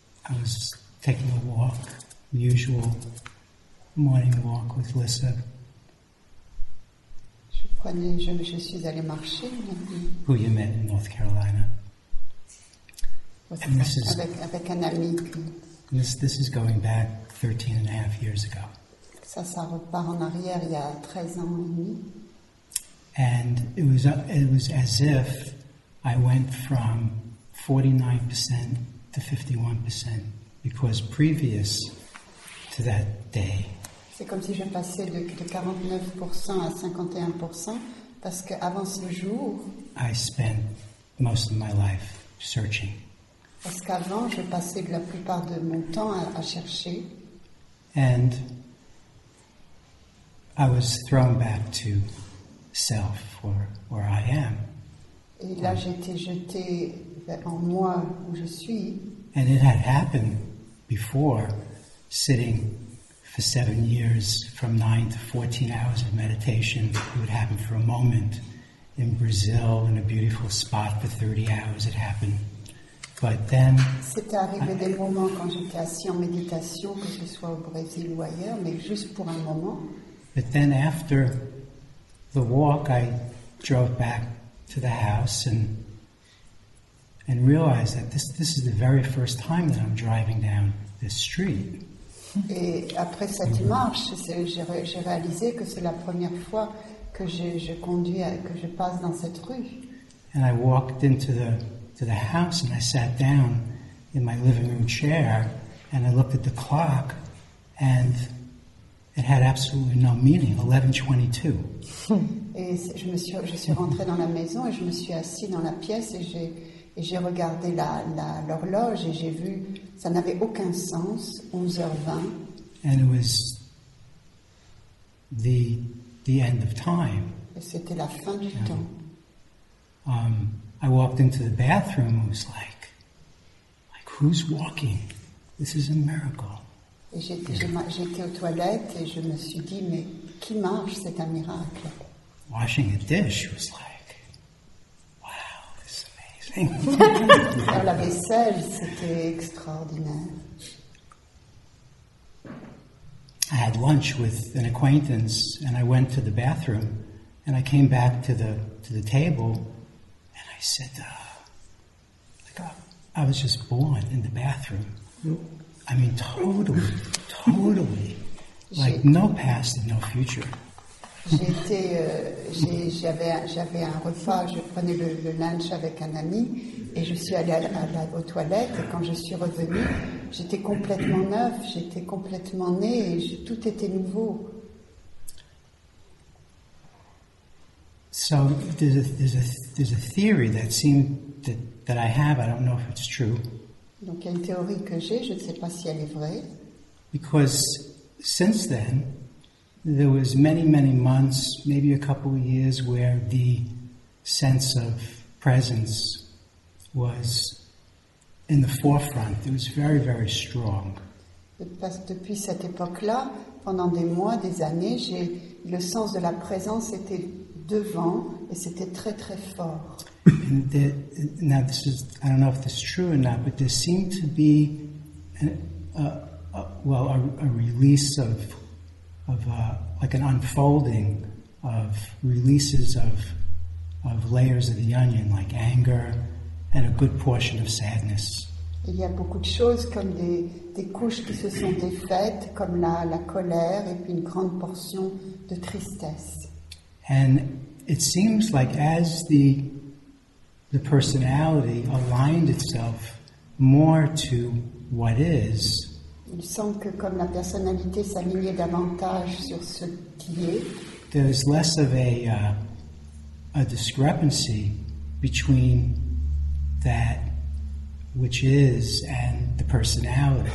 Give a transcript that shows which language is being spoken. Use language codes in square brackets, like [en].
[en] I was taking a walk, the usual morning walk with Lisa. [fr] Je suis allée marcher. [en] Who you met in North Carolina. With and this is, [fr] avec un ami. [en] This is going back 13 and a half years ago. [fr] Ça repart en arrière il y a 13 ans et demi. [en] And it was as if I went from 49% to 51% because previous to that day, [fr] c'est comme si je passais de 49% à 51% parce que avant ce jour, [en] I spent most of my life searching. [fr] Parce qu'avant, je passais la plupart de mon temps à chercher. [en] And I was thrown back to self or where I am. [fr] Et là, j'étais jeté en moi où je suis. [en] And it had happened before sitting for 7 years, from 9 to 14 hours of meditation, it would happen for a moment in Brazil in a beautiful spot for 30 hours. It happened, but then. [fr] C'était arrivé des moments quand j'étais assis en méditation, que ce soit au Brésil ou ailleurs, mais juste pour un moment. [en] But then, after the walk, I drove back to the house and realize that this is the very first time that I'm driving down this street. [fr] Et après cette marche, j'ai réalisé que c'est la première fois que je conduis, que je passe dans cette rue. [en] And I walked into the house and I sat down in my living room chair and I looked at the clock and it had absolutely no meaning, 11:22. [fr] Et je suis rentrée dans la maison et je me suis assise dans la pièce et j'ai regardé l'horloge et j'ai vu, ça n'avait aucun sens, 11h20. [en] And it was the end of time. [fr] Et c'était la fin du temps. [en] I walked into the bathroom and was like, who's walking? This is a miracle. [fr] Et j'étais aux toilettes et je me suis dit, mais qui marche? C'est un miracle. [en] Washing a dish was like, wow, this is amazing. [fr] Faire la vaisselle, c'était extraordinaire. [en] I had lunch with an acquaintance and I went to the bathroom and I came back to the table and I said, I was just born in the bathroom. I mean, totally, like no past and no future. [fr] J'avais un repas, je prenais le lunch avec un ami et je suis allée aux toilettes et quand je suis revenue, j'étais complètement neuf, j'étais complètement née et tout était nouveau. [en] So there's a theory that seems that I have, I don't know if it's true. [fr] Donc il y a une théorie que j'ai, je ne sais pas si elle est vraie. [en] Because since then, there was many, many months, maybe a couple of years, where the sense of presence was in the forefront. It was very, very strong. [fr] Depuis cette époque-là, pendant des mois, des années, le sens de la présence était devant, et c'était très, très fort. [en] And now, this is, I don't know if this is true or not, but there seemed to be a release of an unfolding of releases of layers of the onion, like anger and a good portion of sadness. [fr] Il y a beaucoup de choses comme des couches qui se sont défaites, comme la colère et puis une grande portion de tristesse. [en] And it seems like as the personality aligned itself more to what is. [fr] Il semble que comme la personnalité s'alignait davantage sur ce qui est, [en] there's less of a discrepancy between that which is and the personality.